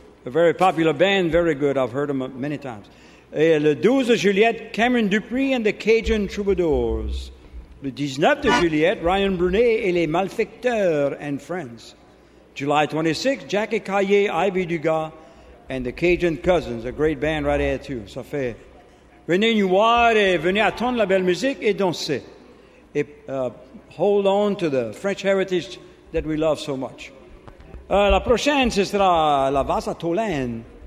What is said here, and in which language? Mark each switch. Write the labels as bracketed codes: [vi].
[en] A very popular band, very good. I've heard them many times. [fr] Et le 12 de juillet, [en] Cameron Dupree and the Cajun Troubadours. [fr] Le 19 de juillet, Ryan Brunet et les Malfecteurs and Friends. [en] July 26th, Jackie Caillé, Ivy Dugas, and the Cajun Cousins, a great band right there too. [fr] Ça fait. Venez nous voir et venez attendre la belle musique et danser. [en] Et hold on to the French heritage that we love so much. [fr] La prochaine, ce sera La Vasse à Tolène.